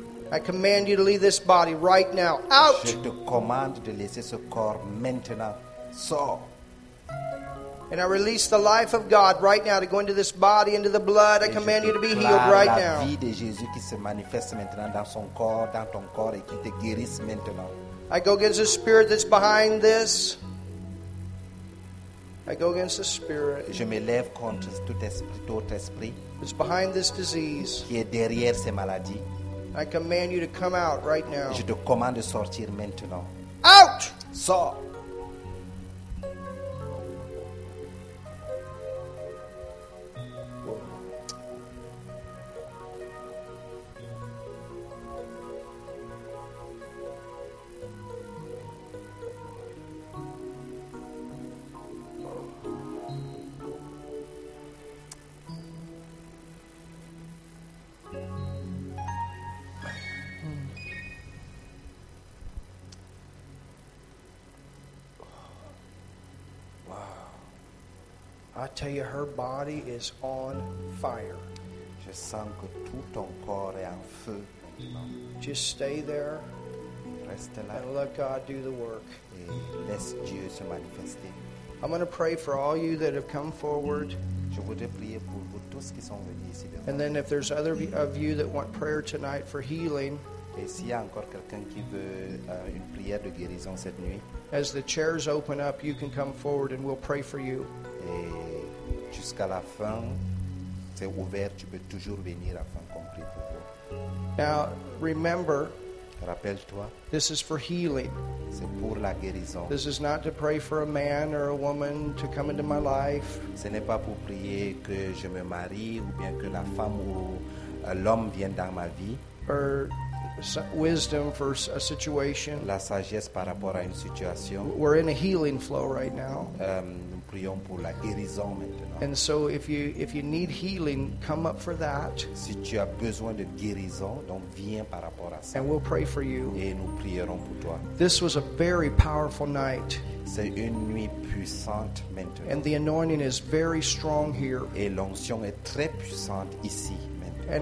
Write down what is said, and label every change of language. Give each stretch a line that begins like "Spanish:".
English: I command you to leave this body right now. Out.
French: Je te commande de laisser ce corps maintenant. Sors.
English: And I release the life of God right now to go into this body, into the blood.
French: Et
English: I command you to be healed right now.
French: La vie de Jésus qui se manifeste maintenant dans son corps, dans ton corps, et qui te guérisse maintenant.
English: I go against the spirit that's behind this. I go against the spirit.
French: Je m'élève contre tout esprit.
English: It's behind this disease.
French: Qui est derrière ces maladies.
English: I command you to come out right now.
French: Je te commande de sortir maintenant.
English: Out!
French: Sors.
English: I tell you, her body is on fire.
French: Je sens que tout ton corps est en feu.
English: Just stay there.
French: Reste là.
English: And let God do the work.
French: Et laisse Dieu se manifester.
English: I'm going to pray for all you that have come forward.
French: Je voudrais prier pour vous tous qui sont venus ici devant.
English: And then if there's other of you that want prayer tonight for healing.
French: Et s'il y a encore quelqu'un qui veut une prière de guérison cette nuit.
English: As the chairs open up, you can come forward and we'll pray for you.
French: Jusqu'à la fin, c'est ouvert, tu peux toujours venir afin qu'on prie pour toi.
English: Now, remember,
French: rappelle-toi,
English: this is for healing.
French: C'est pour la guérison.
English: This is not to pray for a man or a woman to come into my life.
French: Ce n'est pas pour prier que je me marie ou bien que la femme ou l'homme vienne dans ma vie.
English: Or wisdom for a situation.
French: La sagesse par rapport à une situation.
English: We're in a healing flow right now.
French: Nous prions pour la guérison maintenant.
English: And so if you need healing, come up for that.
French: Si tu as besoin de guérison, donc viens par rapport à ça.
English: And we'll pray for you.
French: Et nous prierons pour toi.
English: This was a very powerful night.
French: C'est une nuit puissante maintenant.
English: And the anointing is very strong here.
French: Et l'onction est très puissante ici maintenant.